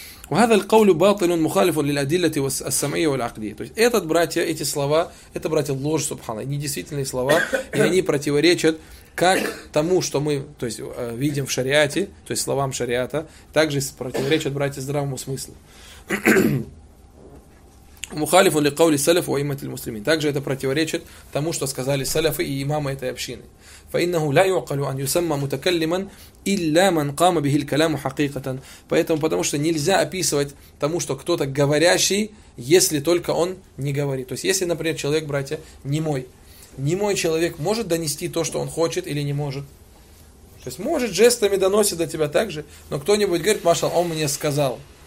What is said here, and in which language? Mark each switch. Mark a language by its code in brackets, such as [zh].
[ar] وَهَذَا الْقَوْلُ بَاطِلٌ مُخَالِفٌ لِلْأَدِلَّةِ وَالسَّمْعِ وَالْعَقْلِيَةِ. [ru] То есть этот, братья, эти слова, это, братья, ложь, субхана, недействительные слова, и они противоречат как тому, что мы, то есть, видим в шариате, то есть словам шариата, также противоречат, братья, здравому смыслу. [ar] مخالف لقول السلف وإمام المسلمين. [ru] Также это противоречит тому, что сказали саляфы и имамы этой общины. [ar] فإنه لا يعقل أن يسمى متكلما إلا من قام به الكلام حقيقة. [ru] Поэтому, потому что нельзя описывать тому, что кто-то говорящий, если только он не говорит. То есть, если, например, человек, братья, немой. Немой человек может донести то, что он хочет, или не может. То есть может жестами доносит до тебя также, но кто-нибудь говорит: «Машал, он мне сказал».